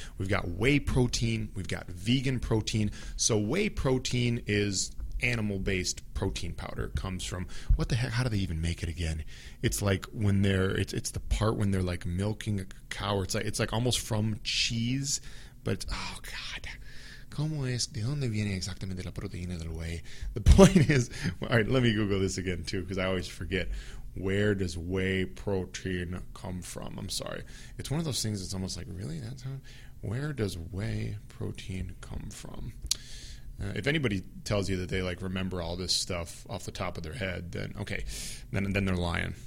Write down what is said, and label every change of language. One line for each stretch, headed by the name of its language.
English: We've got whey protein, we've got vegan protein. So whey protein is animal-based protein powder. It comes from, what the heck, how do they even make it again? It's like when they're, it's the part when they're like milking a cow, or it's like almost from cheese. But, oh, God,
Spanish: ¿cómo es? ¿De dónde viene exactamente la proteína del whey?
English: The point is, all right, let me Google this again, too, because I always forget. Where does whey protein come from? I'm sorry. It's one of those things that's almost like, really? That's how? Where does whey protein come from? If anybody tells you that they like remember all this stuff off the top of their head, then okay, then they're lying.